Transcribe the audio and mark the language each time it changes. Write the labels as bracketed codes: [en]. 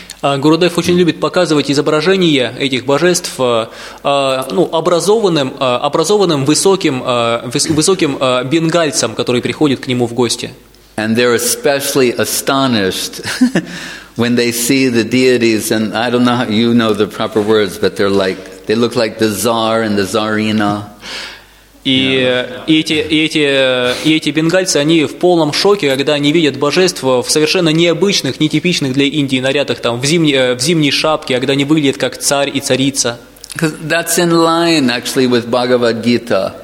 [ru] Гурудев очень любит показывать изображения этих божеств образованным высоким бенгальцам, которые приходят к нему в гости. [en] And they're especially astonished when they see the deities, and I don't know how you know the proper words, but they're like, they look like the czar and the czarina. [ru] И эти бенгальцы, они в полном шоке, когда они видят божеств в совершенно необычных, нетипичных для Индии нарядах, там, в зимней шапке, когда они выглядят как царь и царица. [en] That's in line, actually, with Bhagavad-gita.